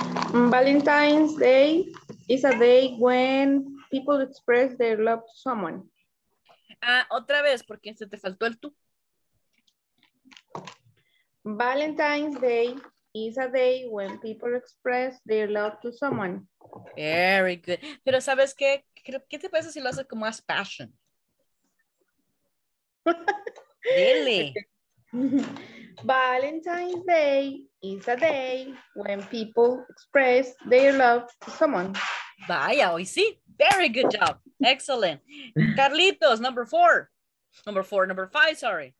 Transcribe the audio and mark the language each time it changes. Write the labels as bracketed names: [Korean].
[English] Valentine's Day is a day when people express their love to someone. [Spanish] Otra vez, porque se te faltó el tú. [English] Valentine's Day is a day when people express their love to someone. Very good. [Spanish] Pero ¿sabes qué? ¿Qué te pasa si lo haces como más passion? [English] Really? Valentine's Day is a day when people express their love to someone. [Spanish] Vaya, hoy sí. [English] Very good job. Excellent. Carlitos, number four. Number five.